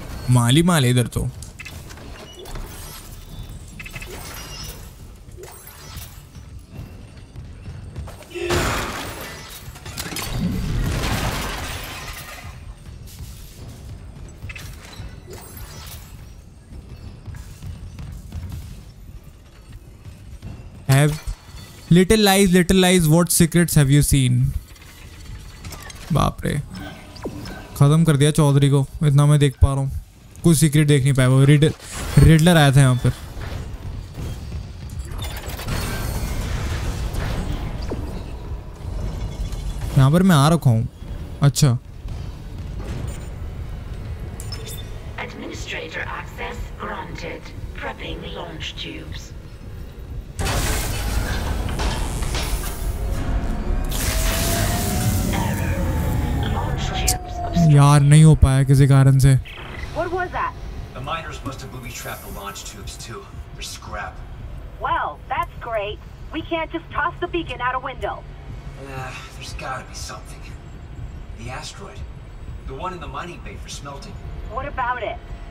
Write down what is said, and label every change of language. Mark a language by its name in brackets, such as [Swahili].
[Hindi] माली माल इधर तो [English] have little lies what secrets have you seen. [Hindi] बाप रे खत्म कर दिया चौधरी को, इतना मैं देख पा रहा हूँ, कुछ सीक्रेट देख नहीं पाया। वो रिडलर आया था यहाँ पर। यहाँ पर मैं आ रखा हूँ। अच्छा [English] Administrator access granted prepping launch tubes. [Hindi] यार नहीं हो पाया किसी कारण से। [English] What was that? The miners must have booby-trapped the launch tubes too. They're scrap. Well, that's great. We can't just toss the beacon out a window. There's gotta be something. The asteroid. The one in the mining bay for smelting. What about it?